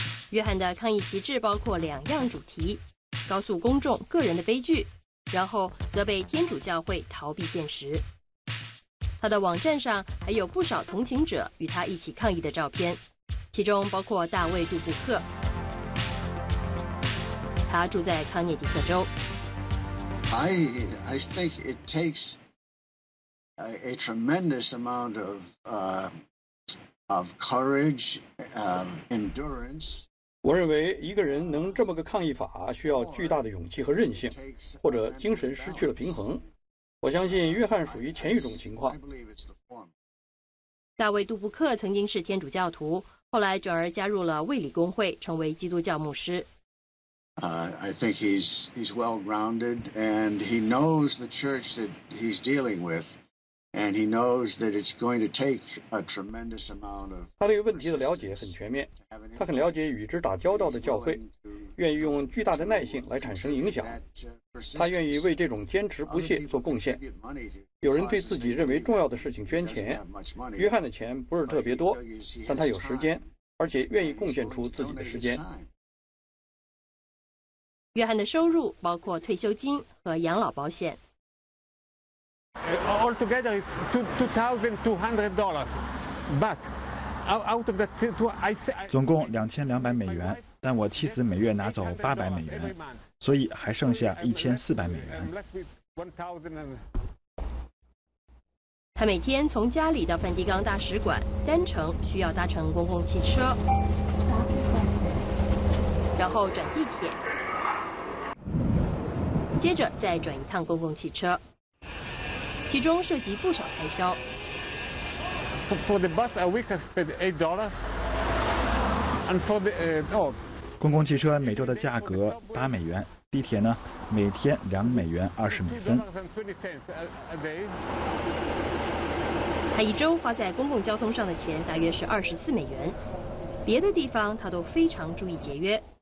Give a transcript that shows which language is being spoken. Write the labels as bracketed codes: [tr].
[zh] 约翰的抗议旗帜包括两样主题：告诉公众个人的悲剧，然后则被天主教会逃避现实。他的网站上还有不少同情者与他一起抗议的照片，其中包括大卫·杜布克。他住在康涅狄克州。 [en] I think it takes a tremendous amount of courage, endurance. [zh] 我认为一个人能这么个抗议法需要巨大的勇气和韧性，或者精神失去了平衡。我相信约翰属于前一种情况。大卫·杜布克曾经是天主教徒，后来转而加入了卫理公会，成为基督教牧师。 [en] I think he's well-grounded and he knows the church that he's dealing with. And he knows that it's going to take a tremendous amount of. [zh] 他对问题的了解很全面，他很了解与之打交道的教会，愿意用巨大的耐性来产生影响。他愿意为这种坚持不懈做贡献。有人对自己认为重要的事情捐钱，约翰的钱不是特别多，但他有时间，而且愿意贡献出自己的时间。约翰的收入包括退休金和养老保险。 [en] Altogether is $2,200, but out of that two, I say. [zh] 总共2200美元，但我妻子每月拿走$800，所以还剩下1400美元。他每天从家里到梵蒂冈大使馆单程需要搭乘公共汽车，然后转地铁，接着再转一趟公共汽车。其中涉及不少开销。 [en] For the bus, a week I spend $8, and for the [zh] 公共汽车每周的价格$8，地铁呢，每天$2.20。他一周花在公共交通上的钱大约是$24，别的地方他都非常注意节约。